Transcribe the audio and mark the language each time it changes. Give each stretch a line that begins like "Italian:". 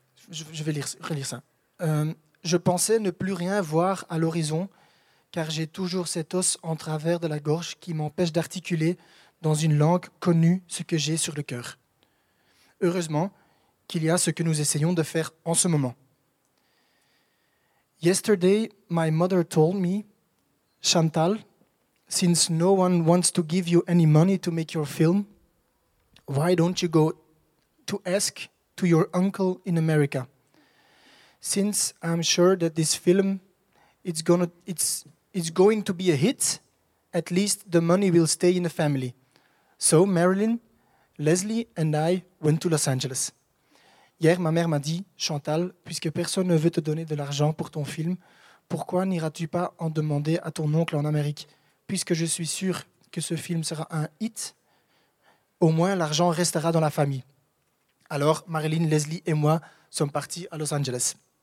French: Je vais relire ça. Je pensais ne plus rien voir à l'horizon, car j'ai toujours cette osse en travers de la gorge qui m'empêche d'articuler dans une langue connue ce que j'ai sur le cœur. Heureusement qu'il y a ce que nous essayons de faire en ce moment.
English: Yesterday, my mother told me, Chantal, since no one wants to give you any money to make your film, why don't you go to ask to your uncle in America? Since I'm sure that this film it's going to be a hit, at least the money will stay in the family. So Marilyn, Leslie and I went to Los Angeles.
French: Hier, ma mère m'a dit, Chantal, puisque personne ne veut te donner de l'argent pour ton film, pourquoi n'iras-tu pas en demander à ton oncle en Amérique? Puisque je suis sûre que ce film sera un hit, au moins l'argent restera dans la famille. Alors, Marilyn, Leslie et moi sommes partis à Los Angeles.